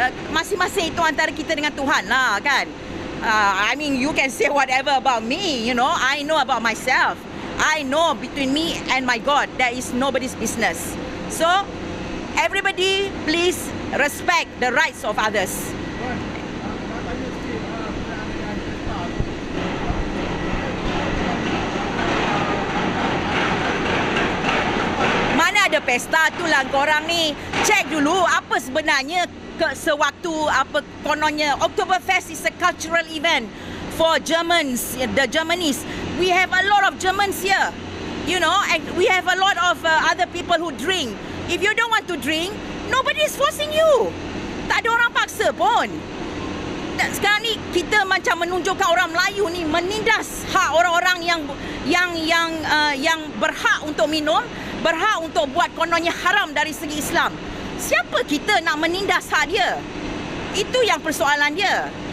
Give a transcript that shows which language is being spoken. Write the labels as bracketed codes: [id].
[ms] Masing-masing itu antara kita dengan Tuhan lah, kan? [en] I mean, you can say whatever about me, you know. I know about myself. I know between me and my God, there is nobody's business. So, everybody, please respect the rights of others. [ms] Ada pesta tu lah korang ni. Check dulu apa sebenarnya sewaktu apa kononnya [en] Oktoberfest is a cultural event for Germans, the Germanies. We have a lot of Germans here, you know, and we have a lot of other people who drink. If you don't want to drink, nobody is forcing you. [ms] Tak ada orang paksa pun. Sekarang ni kita macam menunjukkan orang Melayu ni menindas hak orang-orang yang berhak untuk minum, berhak untuk buat kononnya haram dari segi Islam. Siapa kita nak menindas hak dia? Itu yang persoalan dia.